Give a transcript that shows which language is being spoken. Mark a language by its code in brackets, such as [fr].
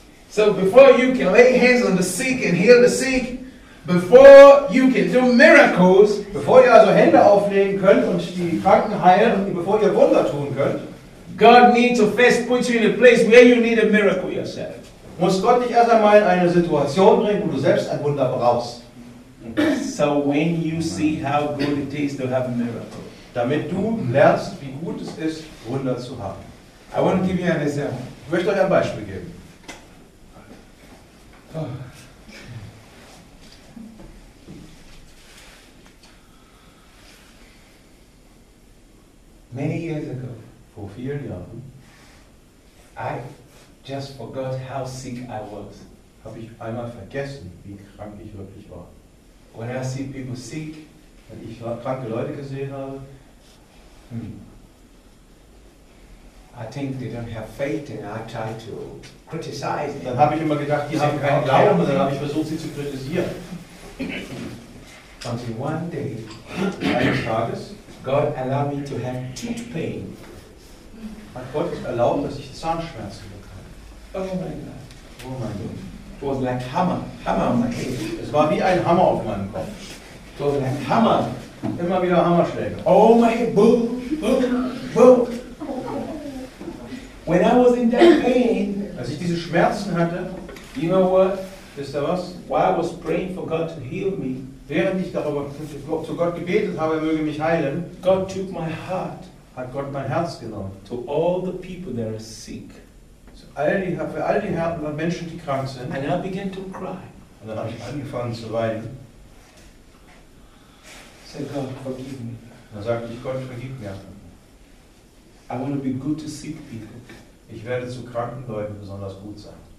[en] So before you can lay hands on the sick and heal the sick, before you can do miracles, [de] bevor ihr also Hände auflegen könnt und die Kranken heilen, bevor ihr Wunder tun könnt, [en] God needs to first put you in a place where you need a miracle yourself. [de] Muss Gott dich erst einmal in eine Situation bringen, wo du selbst ein Wunder brauchst. [en] So when you see how good it is to have a miracle, [de] damit du lernst, wie gut es ist, Wunder zu haben. [en] I want to give you an example. [de] Ich möchte euch ein Beispiel geben. [en] Many years ago, [de] vor vielen Jahren, [en] I just forgot how sick I was. [de] Habe ich einmal vergessen, wie krank ich wirklich war. [en] When I see people sick, [de] wenn ich kranke Leute gesehen habe, [en] I think they don't have faith, and I try to criticize. [de] Dann habe ich immer gedacht, die haben keinen Glauben, und dann habe ich versucht, sie zu kritisieren. [en] Until one day, [de] eines Tages, [en] God allowed me to have tooth pain. [de] Hat Gott es erlaubt, dass ich Zahnschmerzen bekomme? Oh mein Gott. Oh mein Gott. [en] It was like hammer on my head. [de] Es war wie ein Hammer auf meinem Kopf. [en] It was like hammer. [de] Immer wieder Hammerschläge. [en] Oh my head, boom, boom, boom. When I was in that pain, [de] als ich diese Schmerzen hatte, [en] you know what? [de] Wisst ihr was? [en] While I was praying for God to heal me, [de] während ich darüber zu Gott gebetet habe, er möge mich heilen, [en] God took my heart, [de] hat Gott mein Herz genommen. [en] To all the people that are sick, [de] für all die Herzen und Menschen, die krank sind. [en] And I began to cry. [de] Und dann habe ich angefangen zu weinen. [en] Say, God, forgive me. [de] Dann sagte ich, Gott, vergib mir. [en] I want to be good to sick people. [de] Ich werde zu kranken Leuten besonders gut sein.